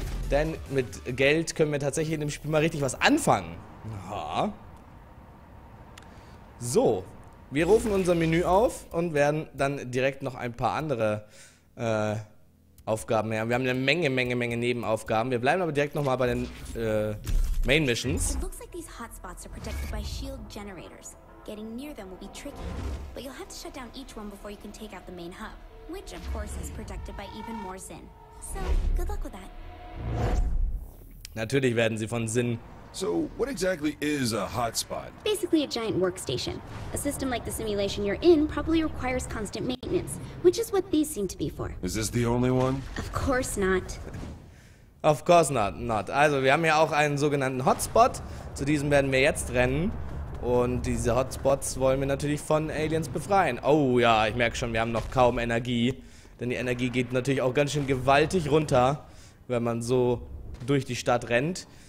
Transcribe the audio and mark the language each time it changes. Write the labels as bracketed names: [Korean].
[German] Denn mit Geld können wir tatsächlich in dem Spiel mal richtig was anfangen. Ja. So, wir rufen unser Menü auf und werden dann direkt noch ein paar andere Aufgaben her. Wir haben eine Menge Nebenaufgaben. Wir bleiben aber direkt nochmal bei den Main Missions. [English] It looks like these hotspots are protected by shield generators. Getting near them will be tricky, but you'll have to shut down each one before you can take out the main hub, which of course is protected by even more Zin. So, good luck with that. [German] Natürlich werden sie von Zin. [English] So, what exactly is a hotspot? Basically a giant workstation. A system like the simulation you're in probably requires constant maintenance, which is what these seem to be for. Is this the only one? Of course not. Of course not, [German] Also, wir haben ja auch einen sogenannten Hotspot. Zu diesem werden wir jetzt rennen. Und diese Hotspots wollen wir natürlich von Aliens befreien. Oh ja, ich merke schon, wir haben noch kaum Energie. Denn die Energie geht natürlich auch ganz schön gewaltig runter, wenn man so durch die Stadt rennt.